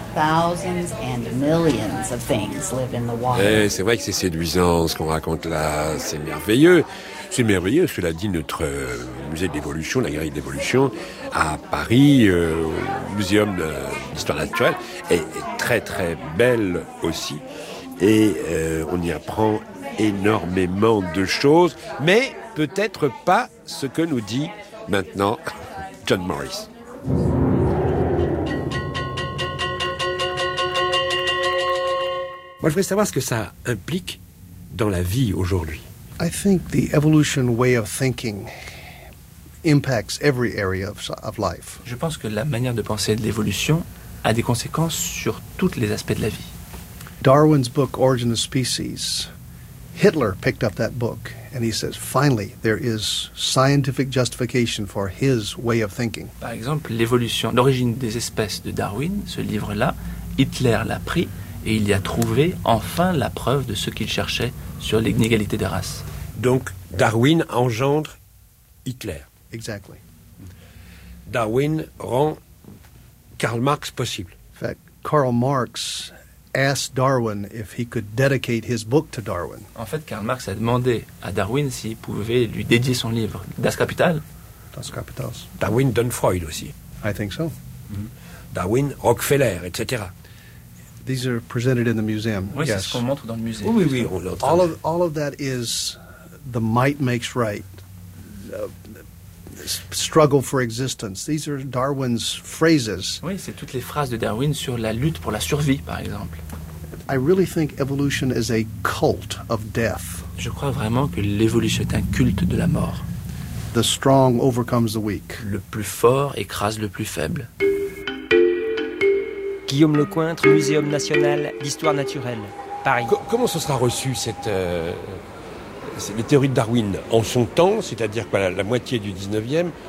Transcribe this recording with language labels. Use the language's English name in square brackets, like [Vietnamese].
[English] Thousands and millions of things live in the water. [French] Eh, c'est vrai que c'est séduisant ce qu'on raconte là, c'est merveilleux. C'est merveilleux, cela dit, notre musée d'évolution, la galerie d'évolution, à Paris, muséum d'histoire naturelle, est très très belle aussi. Et on y apprend énormément de choses, mais peut-être pas ce que nous dit maintenant John Morris. Moi, je voudrais savoir ce que ça implique dans la vie aujourd'hui. [English] I think the evolution way of thinking impacts every area of life. [French] Je pense que la manière de penser de l'évolution a des conséquences sur tous les aspects de la vie. [English] Darwin's book Origin of Species. Hitler picked up that book and he says finally there is scientific justification for his way of thinking. [French] Par exemple, l'évolution, l'origine des espèces de Darwin, ce livre-là, Hitler l'a pris. Et il y a trouvé enfin la preuve de ce qu'il cherchait sur l'inégalité des races. Donc, Darwin engendre Hitler. [English] Exactly. [French] Darwin rend Karl Marx possible. [English] In fact, Karl Marx asked Darwin if he could dedicate his book to Darwin. [French] En fait, Karl Marx a demandé à Darwin s'il pouvait lui dédier son livre, Das Kapital. Das Kapital. Darwin donne Freud aussi. [English] I think so. [French] Darwin, Rockefeller, etc. [English] These are presented in the museum. [French] Oui, [English] yes. [French] C'est ce qu'on montre dans le musée. Oui, oui, oui. [English] All of that is the might makes right, struggle for existence. These are Darwin's phrases. [French] Oui, c'est toutes les phrases de Darwin sur la lutte pour la survie, par exemple. [English] I really think evolution is a cult of death. [French] Je crois vraiment que l'évolution est un culte de la mort. [English] The strong overcomes the weak. [French] Le plus fort écrase le plus faible. Guillaume Lecointre, Muséum National d'Histoire Naturelle, Paris. Comment se sera reçu cette, les théories de Darwin en son temps, c'est-à-dire quoi, la moitié du 19e?